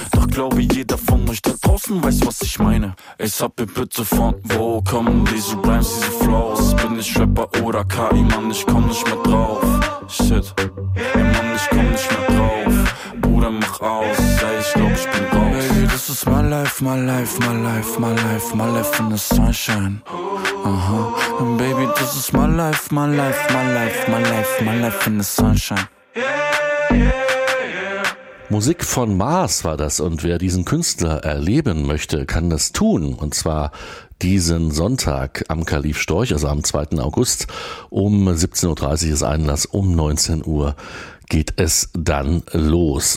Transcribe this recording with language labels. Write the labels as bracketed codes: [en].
[de] Doch glaube jeder von euch da draußen weiß, was ich meine. Ey, sag mir bitte von wo kommen diese Rhymes, diese Flows? Bin ich Rapper oder KI, Mann, ich komm nicht mehr drauf. Shit, ey, Mann, ich komm nicht mehr drauf. Bruder, mach aus, ey, ich glaub, ich bin raus. [en] Baby, this is my life, my life, my life, my life, my life in the sunshine. Aha, and baby, this is my life, my life, my life, my life, my life in the sunshine. [de] Musik von Mars war das und wer diesen Künstler erleben möchte, kann das tun und zwar diesen Sonntag am Kalif Storch, also am 2. August um 17.30 Uhr ist Einlass, um 19 Uhr geht es dann los.